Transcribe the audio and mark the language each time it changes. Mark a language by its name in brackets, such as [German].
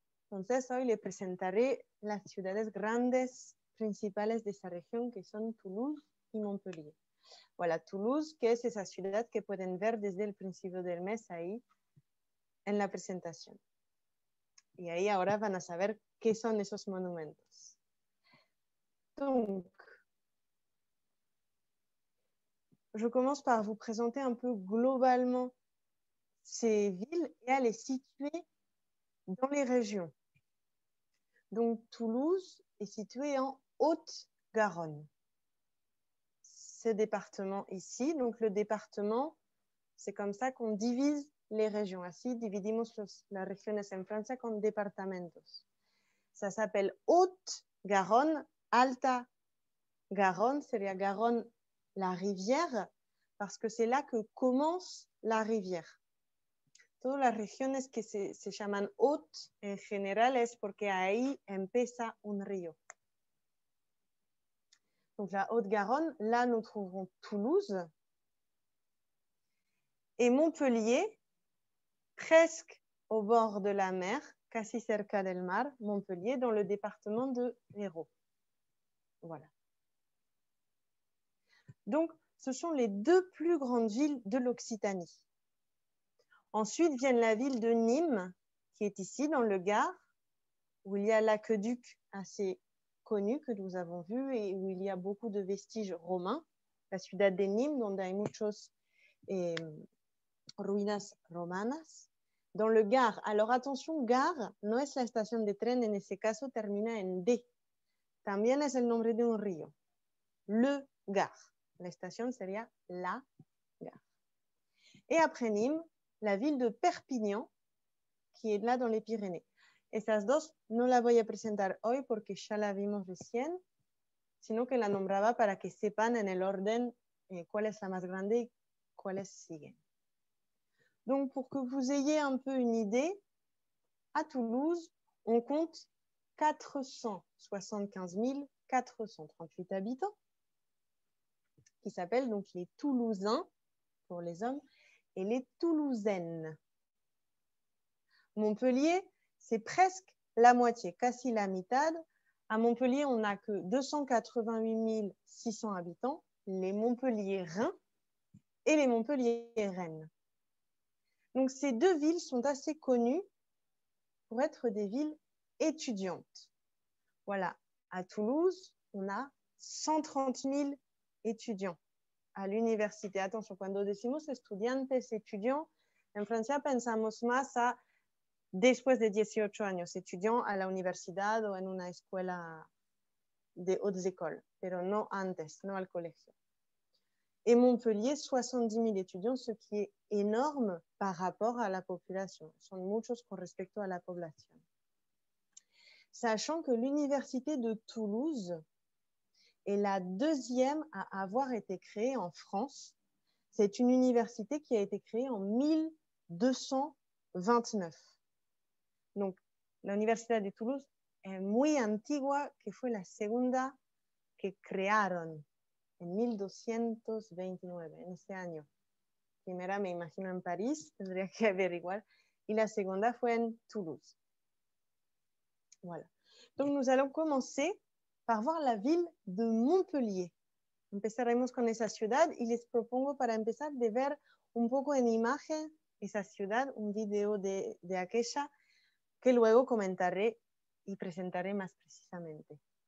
[Spanish] Entonces, hoy les presentaré las ciudades grandes principales de esa región, que son Toulouse y Montpellier. Voilà, Toulouse, que es esa ciudad que pueden ver desde el principio del mes ahí en la presentación. Y ahí ahora van a saber qué son esos monumentos. [French] Donc, je commence par vous présenter un peu globalement ces villes et à les situer dans les régions. Donc, Toulouse est située en Haute-Garonne. Ce département ici, donc le département, c'est comme ça qu'on divise les régions. [Spanish] Así dividimos las regiones en Francia con departamentos. [French] Ça s'appelle Haute-Garonne, Alta Garonne, c'est-à-dire Garonne, la rivière, parce que c'est là que commence la rivière. Toutes les régions qui se chaman haute en général, c'est parce qu' [Spanish] ahí empieza un río. [French] Donc la Haute-Garonne, là nous trouvons Toulouse. Et Montpellier, presque au bord de la mer, [Spanish] casi cerca del mar, [French] Montpellier, dans le département de l'Hérault. Voilà. Donc, ce sont les deux plus grandes villes de l'Occitanie. Ensuite viennent la ville de Nîmes, qui est ici dans le Gard, où il y a l'aqueduc assez connu que nous avons vu et où il y a beaucoup de vestiges romains. [Spanish] La ciudad de Nîmes, donde hay muchos ruinas romanas. [French] Dans le Gard. Alors attention, Gard, [Spanish] no es la estación de tren, en ese caso termina en D. También es el nombre de un río. Le Gard. La estación sería la Gare. [French] Et après Nîmes, la ville de Perpignan, qui est là dans les Pyrénées. [Spanish] Esas dos no la voy a presentar hoy porque ya la vimos recién, sino que la nombraba para que sepan en el orden cuál es la más grande y cuál es sigue. [French] Donc, pour que vous ayez un peu une idée, à Toulouse, on compte 475 438 habitants, qui s'appellent donc les Toulousains pour les hommes et les Toulousaines. Montpellier, c'est presque la moitié, [Spanish] quasi la mitad. [French] À Montpellier, on n'a que 288 600 habitants, les Montpelliérains et les Montpelliéraines. Donc, ces deux villes sont assez connues pour être des villes étudiantes. Voilà, à Toulouse, on a 130 000 étudiants à l'université. [Spanish] Attention, cuando decimos estudiantes, étudiants, en Francia pensamos más a después de 18 años, étudiants à la universidad o en una escuela de hautes écoles, pero no antes, no al colegio. [French] Et Montpellier, 70 000 étudiants, ce qui est énorme par rapport à la population. [Spanish] Son muchos con respecto a la población. [French] Sachant que l'université de Toulouse est la deuxième à avoir été créée en France. C'est une université qui a été créée en 1229. Donc, l'université de Toulouse est [Spanish] muy antigua, que fue la segunda que crearon en 1229, en ese año. Primera, me imagino, en París, tendría que averiguar, y la segunda fue en Toulouse. [French] Voilà. Donc, nous allons commencer par voir la ville de Montpellier. [Spanish] Empezaremos con esa ciudad y les propongo para empezar de ver un poco en imagen esa ciudad, un video de aquella que luego comentaré y presentaré más precisamente.